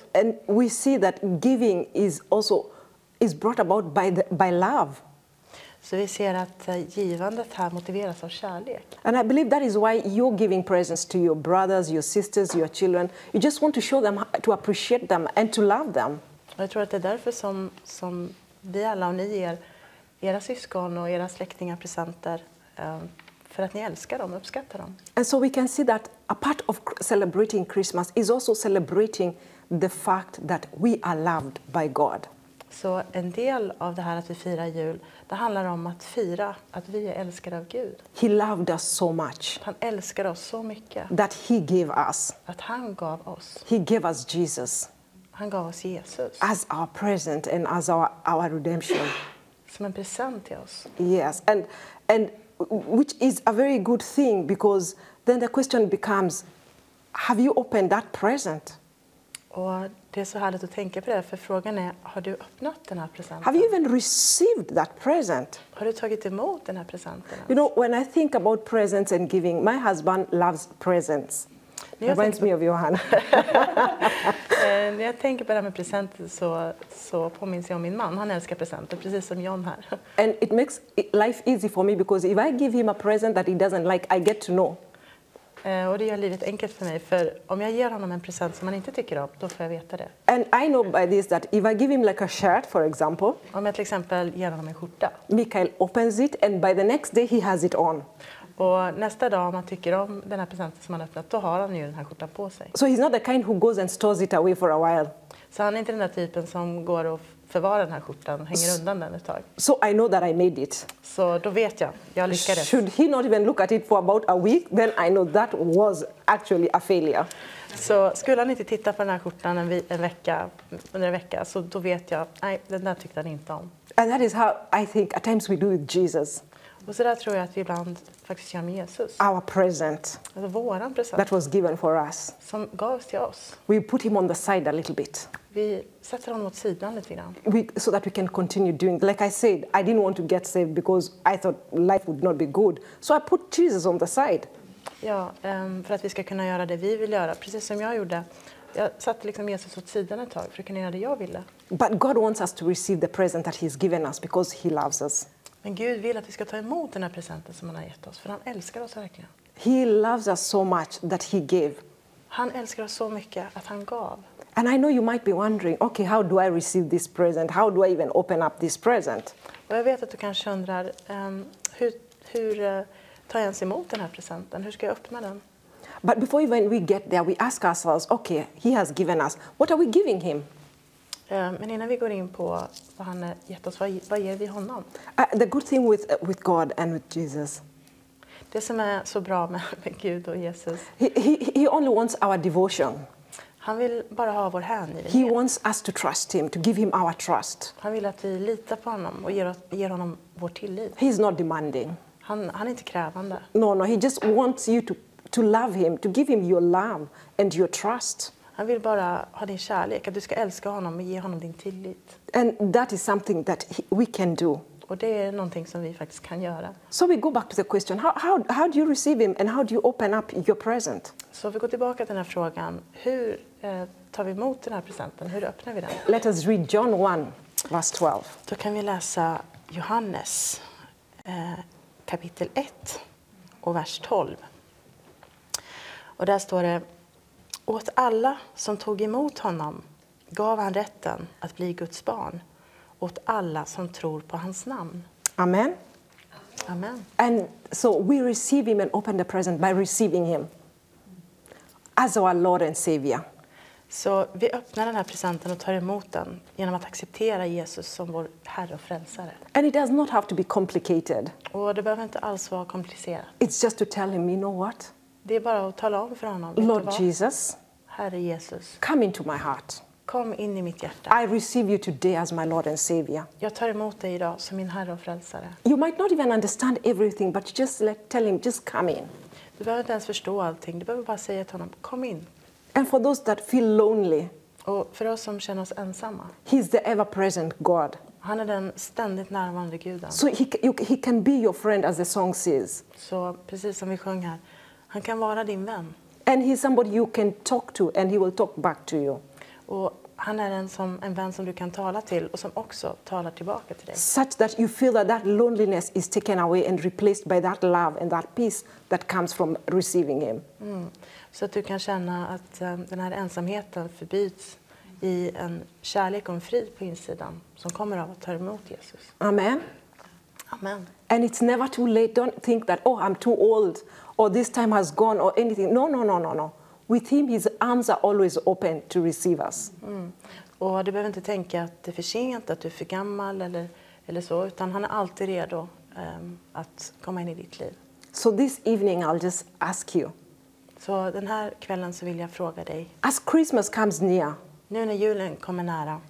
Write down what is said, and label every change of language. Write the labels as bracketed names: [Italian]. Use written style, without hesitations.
[English] And we see that giving is also is brought about by love. [Swedish] Så vi ser att givandet här motiveras av kärlek. [English] And I believe that is why you're giving presents to your brothers, your sisters, your children. You just want to show them to appreciate them and to love them. [Swedish] Jag tror att det är därför som vi alla och ni ger era syskon och era släktingar presenter för att ni älskar dem och uppskattar dem. [English] And so we can see that a part of celebrating Christmas is also celebrating the fact that we are loved by God. [Swedish] Så en del av det här att vi firar jul, det handlar om att fira att vi är älskade av Gud. [English] He loved us so much. [Swedish] Han älskar oss så mycket. [English] That he gave us. [Swedish] Att han gav oss. [English] He gave us Jesus. [Swedish] Han gav oss Jesus. [English] As our present and as our redemption. [Swedish] Som en present till oss. [English] Yes, and which is a very good thing because then the question becomes, have you opened that present? [Swedish] Och det är så härligt att tänka på det, för frågan är, har du öppnat den här presenten? [English] Have you even received that present? [Swedish] Har du tagit emot den här presenten? [English] You know, when I think about presents and giving, my husband loves presents. Reminds me of Johanna. [Swedish] När jag tänker på det här med presenter så påminns jag om min man. Han älskar presenter, precis som John här. [English] And it makes life easy for me because if I give him a present that he doesn't like, I get to know. [Swedish] Och det gör livet enkelt för mig, för om jag ger honom en present som han inte tycker om, då får jag veta det. [English] And I know by this that if I give him like a shirt, for example. [Swedish] Om jag till exempel ger honom en skjorta. [English] Mikael opens it and by the next day he has it on. [Swedish] Och nästa dag om han tycker om den här presenten som han öppnat, då har han ju den här skjortan på sig. [English] So he's not the kind who goes and stores it away for a while. [Swedish] Så han är inte den där typen som går och förvarar den här skjortan, hänger undan den ett tag. [English] So I know that I made it. [Swedish] Så då vet jag lyckades. [English] Should he not even look at it for about a week, then I know that was actually a failure. [Swedish] Så skulle han inte titta på den här skjortan under en vecka, så då vet jag, nej, den där tyckte han inte om. [English] And that is how I think at times we do with Jesus. [Swedish] Och så där tror jag att vi ibland faktiskt gör med Jesus. [English] Our present. [Swedish] Alltså våran present. [English] That was given for us. [Swedish] Som gavs till oss. [English] We put him on the side a little bit. [Swedish] Vi sätter honom åt sidan lite grann. [English] So that we can continue doing. Like I said, I didn't want to get saved because I thought life would not be good. So I put Jesus on the side. [Swedish] Ja, för att vi ska kunna göra det vi vill göra, precis som jag gjorde. Jag satte liksom Jesus åt sidan ett tag för att kunna göra det jag ville. [English] But God wants us to receive the present that he's given us because he loves us. [Swedish] Men Gud vill att vi ska ta emot den här presenten som han har gett oss, för han älskar oss verkligen. [English] He loves us so much that he gave. [Swedish] Han älskar oss så mycket att han gav. [English] And I know you might be wondering, okay, how do I receive this present? How do I even open up this present? [Swedish] Och jag vet att du kanske undrar, hur tar jag ens emot den här presenten? Hur ska jag öppna den? [English] But before even we get there, we ask ourselves, okay, he has given us. What are we giving him? [Swedish] Men innan vi går in på vad han har gett oss, vad ger vi honom? [English] The good thing with God and with Jesus. [Swedish] Det som är så bra med Gud och Jesus. [English] He only wants our devotion. [Swedish] Han vill bara ha vår hängivenhet. [English] He wants us to trust him, to give him our trust. [Swedish] Han vill att vi litar på honom och ger honom vår tillit. [English] He's not demanding. [Swedish] Han är inte krävande. [English] No, he just wants you to love him, to give him your love and your trust. [Swedish] Han vill bara ha din kärlek, att du ska älska honom och ge honom din tillit. [English] And that is something that we can do. [Swedish] Och det är någonting som vi faktiskt kan göra. [English] So we go back to the question, how do you receive him and how do you open up your present? [Swedish] Så vi går tillbaka till den här frågan, hur tar vi emot den här presenten, hur öppnar vi den? [English] Let us read John 1, verse 12. [Swedish] Då kan vi läsa Johannes kapitel 1 och vers 12. Och där står det, åt alla som tog emot honom gav han rätten att bli Guds barn. Åt alla som tror på hans namn. [English] Amen. [Swedish] Amen. [English] And so we receive him and open the present by receiving him as our Lord and Savior. [Swedish] Så vi öppnar den här presenten och tar emot den genom att acceptera Jesus som vår Herre och frälsare. [English] And it does not have to be complicated. [Swedish] Och det behöver inte alls vara komplicerat. [English] It's just to tell him, you know what? [Swedish] Det är bara att tala om för honom. [English] Lord Jesus. [Swedish] Herre Jesus. [English] Come into my heart. [Swedish] Kom in I mitt hjärta. [English] I receive you today as my Lord and Savior. [Swedish] Jag tar emot dig idag som min Herre och frälsare. [English] You might not even understand everything, but just tell him, just come in. [Swedish] Du behöver inte ens förstå allting. Du behöver bara säga till honom, kom in. [English] And for those that feel lonely. [Swedish] Och för oss som känner oss ensamma. [English] He's the ever-present God. [Swedish] Han är den ständigt närvarande guden. [English] So he can be your friend as the song says. [Swedish] Så precis som vi sjunger här. Han kan vara din vän. [English] And he's somebody you can talk to and he will talk back to you. [Swedish] Och han är en vän som du kan tala till och som också talar tillbaka till dig. [English] Such that you feel that that loneliness is taken away and replaced by that love and that peace that comes from receiving him. Mm. [Swedish] Så att du kan känna att den här ensamheten förbyts I en kärlek och en frid på insidan som kommer av att ta emot Jesus. [English] Amen. [Swedish] Amen. [English] And it's never too late. Don't think that, oh, I'm too old or this time has gone or anything. No. With him, his arms are always open to receive us. Mm. [Swedish] Och du behöver inte tänka att det är för sent, att du är för gammal eller så, utan han är alltid redo att komma in I ditt liv. [English] So this evening I'll just ask you. [Swedish] Så den här kvällen så vill jag fråga dig. [English] As Christmas comes near. [Swedish] Nu när julen kommer nära.